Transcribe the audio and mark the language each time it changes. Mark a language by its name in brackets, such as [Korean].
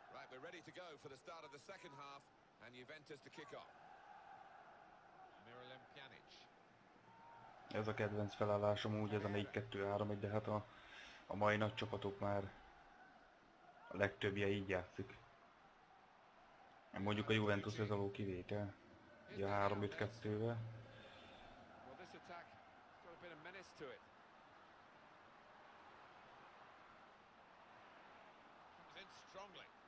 [English] We're ready to go for the start of the second half and Juventus to kick off. Miralem Pjanic. [Hungarian] Ez a kedvenc felállásom úgy, ez a 4-2-3-1, de hát a mai nagy csapatok már a legtöbbje így játszik. Mondjuk a Juventus ez való kivétel. Ugye a 3-5-2-vel. [English] Well, this attack has got a bit of menace to it. Comes in strongly.